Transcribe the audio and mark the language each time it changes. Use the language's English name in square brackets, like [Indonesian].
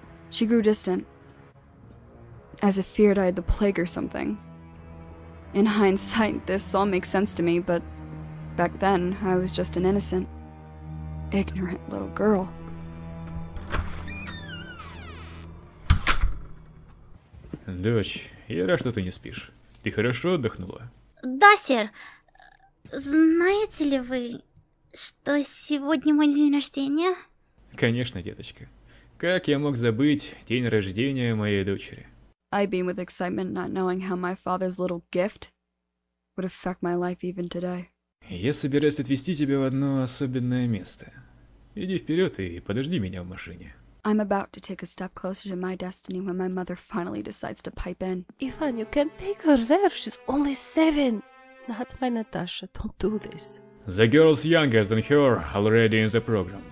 [English] She grew distant, as if feared I had the plague or something. In hindsight, this all makes sense to me, but back then, I was just an innocent, ignorant little girl. [Russian] Дочь, я рад, что ты не спишь. Ты хорошо отдохнула? Да, сэр. Знаете ли вы, что сегодня мой день рождения? Конечно, деточка. Как я мог забыть день рождения моей дочери? [English] I beam with excitement, not knowing how my father's little gift would affect my life even today. [Russian] Я собираюсь отвезти тебя в одно особенное место. Иди вперед и подожди меня в машине. [English] I'm about to take a step closer to my destiny when my mother finally decides to pipe in. Ivan, you can take her there, she's only 7. Not my Natasha, don't do this. The girl's younger than her, already in the program.